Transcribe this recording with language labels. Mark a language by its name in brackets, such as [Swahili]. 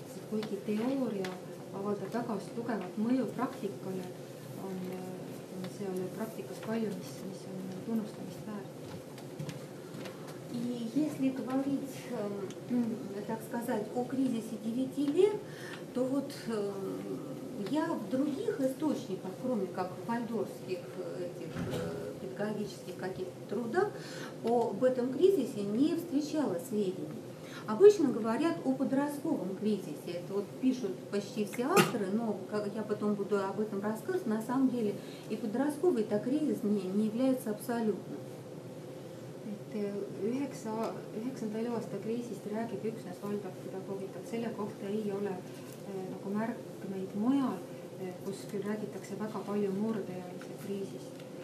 [Estonian] Kuigi teooria avaldab väga tugevat mõju praktikale, on seal praktikas palju, mis on tunnustamist väärt. [Russian] И если говорить, так сказать, о кризисе 9 лет, то вот я в других источниках, кроме как вальдорфских этих педагогических каких-то трудах, об этом кризисе не встречала сведений. Обычно говорят о подростковом кризисе. Это вот пишут почти все авторы, но как я потом буду об этом рассказывать, на самом деле и подростковый-то кризис не является абсолютным. [Estonian] Üheksandal aasta kriisist räägib üksnes Waldorfi pedagoogikat. Selle kohta ei ole nagu märkmeid mujal, kus küll räägitakse väga palju murdejalise kriisist.